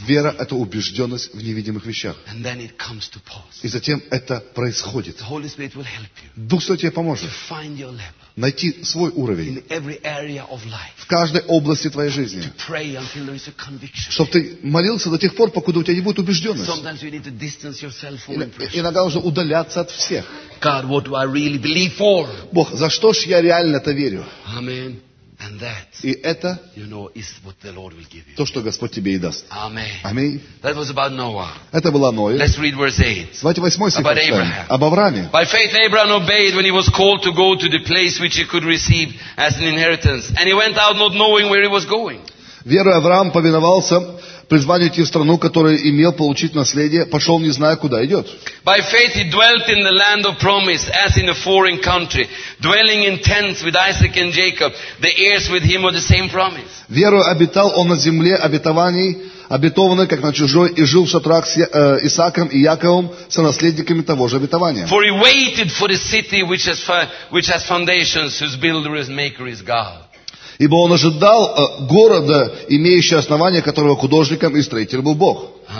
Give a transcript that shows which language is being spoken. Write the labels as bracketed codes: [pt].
[ru] Вера — это убежденность в невидимых вещах. [en] And then it comes to pass. [ru] И затем это происходит. [en] The Holy Spirit will help you. [ru] Дух Святой тебе поможет [en] to find your level. [ru] Найти свой уровень [en] in every area of life. [ru] В каждой области твоей жизни. [en] To pray until there is a conviction. [ru] Чтобы ты молился до тех пор, пока у тебя не будет убежденности. [en] Sometimes you need to distance yourself from impression. [ru] Иногда нужно удаляться от всех. [en] God, what do I really believe for? [ru] Бог, за что ж я реально-то верю? [en] Аминь. And that, [ru] и это [en] you know, is what the Lord will give you. [ru] То, что Господь тебе и даст. Аминь. [en] That was about Noah. [ru] Это было Ное. [en] Let's read verse 8. [ru] Давайте 8 стих прочитаем. [en] About Abraham. [ru] Об Аврааме. [en] By faith Abraham obeyed when he was called to go to the place which he could receive as an inheritance. And he went out not knowing where he was going. [ru] Верой Авраам повиновался призванию идти в страну, которую имел получить наследие, пошел, не зная, куда идет. [en] By faith he dwelt in the land of promise, as in a foreign country, dwelling in tents with Isaac and Jacob, the heirs with him of the same promise. [ru] Верою обитал он на земле обетований, обетованной, как на чужой, и жил в шатрах с Исааком и Яковом, со наследниками того же обетования. [en] For he waited for the city which has foundations, whose builder and maker is God. [ru] Ибо он ожидал города, имеющего основание, которого художником и строителем был Бог.